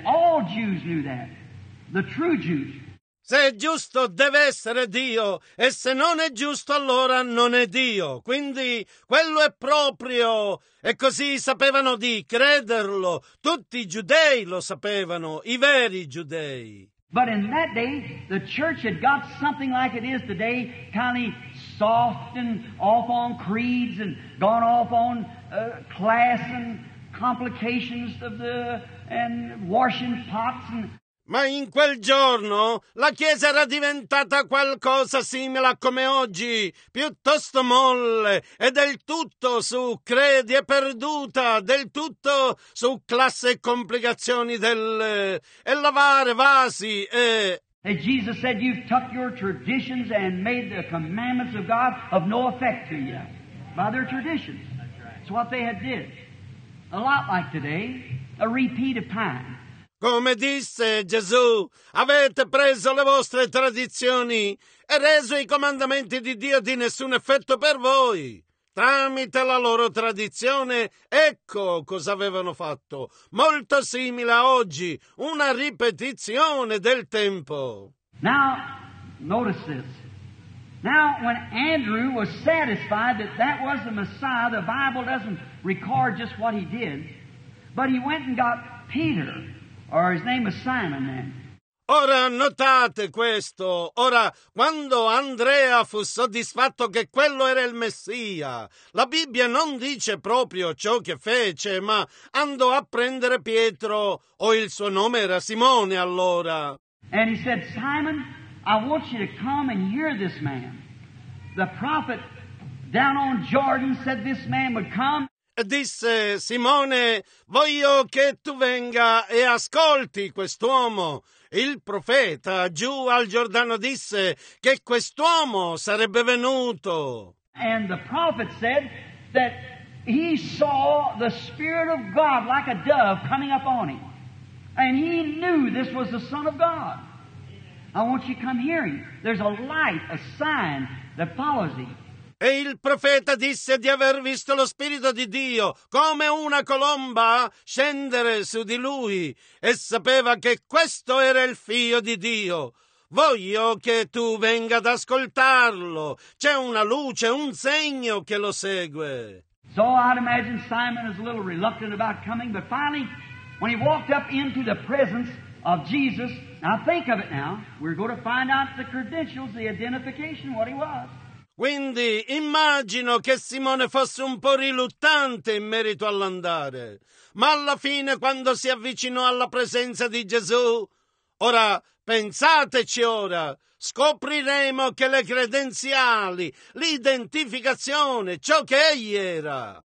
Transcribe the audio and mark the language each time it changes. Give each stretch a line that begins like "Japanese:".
English: All Jews knew that. The true Jews.
Italian: Se è giusto, deve essere Dio, e se non è giusto, allora non è Dio. Quindi, quello è proprio, e così sapevano di crederlo. Tutti i giudei lo sapevano, i veri giudei.
English: But in that day, the church had got something like it is today, kind of soft and off on creeds and gone off on class and complications of the, and washing pots and...
Italian: Ma in quel giorno la Chiesa era diventata qualcosa simile a come oggi, piuttosto molle e del tutto su credi e perduta, del tutto su classe e complicazioni del e lavare vasi e...
English: And Jesus said, you've tucked your traditions and made the commandments of God of no effect to you by their traditions. That's what they had did. A lot like today, a repeat of time.
Italian: Come disse Gesù, avete preso le vostre tradizioni e reso i comandamenti di Dio di nessun effetto per voi. Tramite la loro tradizione, ecco cosa avevano fatto. Molto simile a oggi, una ripetizione del tempo.
English: Now, notice this. Now, when Andrew was satisfied that that was the Messiah, the Bible doesn't record just what he did, but he went and got Peter. Or his name is Simon then.
Italian: Ora notate questo. Ora, quando Andrea fu soddisfatto che quello era il Messia, la Bibbia non dice proprio ciò che fece, ma andò a prendere Pietro, o il suo nome era Simone allora.
English: And he said, Simon, I want you to come and hear this man. The prophet down on Jordan said this man would come.
Italian: E disse, Simone, voglio che tu venga e ascolti quest'uomo. Il profeta giù al Giordano disse che quest'uomo sarebbe venuto.
English: And the prophet said that he saw the Spirit of God like a dove coming up on him. And he knew this was the Son of God. I want you to come hear him. There's a light, a sign that follows him.
Italian: E il profeta disse di aver visto lo Spirito di Dio come una colomba scendere su di lui e sapeva che questo era il Figlio di Dio. Voglio che tu venga ad ascoltarlo. C'è una luce, un segno che lo segue.
English: So I'd imagine Simon is a little reluctant about coming, but finally, when he walked up into the presence of Jesus, now think of it now, we're going to find out the credentials, the identification, what he was.
Italian: Quindi immagino che Simone fosse un po' riluttante in merito all'andare, ma alla fine quando si avvicinò alla presenza di Gesù, ora pensateci ora, scopriremo che le credenziali, l'identificazione, ciò che egli era.